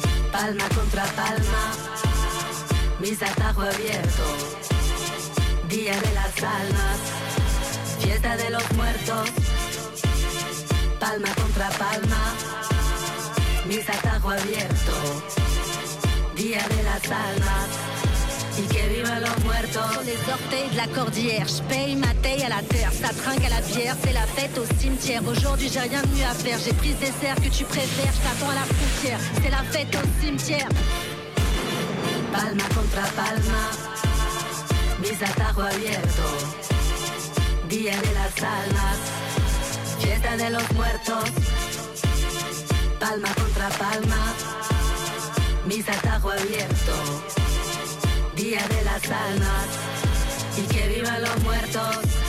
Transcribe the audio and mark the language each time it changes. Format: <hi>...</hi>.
<es>Palma contra palma, mis atajos abiertos. Día de las almas, fiesta de los muertos. Palma contra palma, mis atajos abiertos. Día de las almas. Y que viva los muertos.</es> <fr>Sur les orteils de la cordillère, je paye ma taille à la terre. Ça trinque à la bière, c'est la fête au cimetière. Aujourd'hui j'ai rien de mieux à faire. J'ai pris des serres que tu préfères. Je t'attends à la frontière, c'est la fête au cimetière.</fr> <es>Palma contra palma, mis atajos abiertos. Día de las almas, fiesta de los muertos. Palma contra palma, mis atajos abiertos. Día de las almas y que vivan los muertos.</es>